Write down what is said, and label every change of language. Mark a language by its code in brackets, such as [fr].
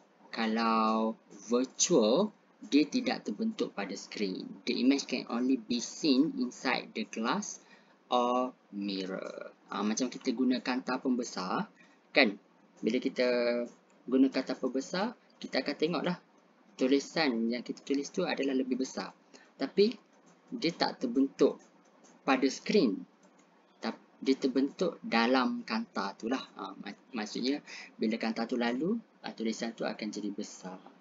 [ms] Kalau virtual, dia tidak terbentuk pada screen. [en] The image can only be seen inside the glass or mirror. [ms] Macam kita guna kanta pembesar, kan? Bila kita guna kanta pembesar, kita akan tengoklah tulisan yang kita tulis tu adalah lebih besar. Tapi dia tak terbentuk pada screen. Dia terbentuk dalam kanta tu lah. Maksudnya, bila kanta tu lalu, tulisan tu akan jadi besar.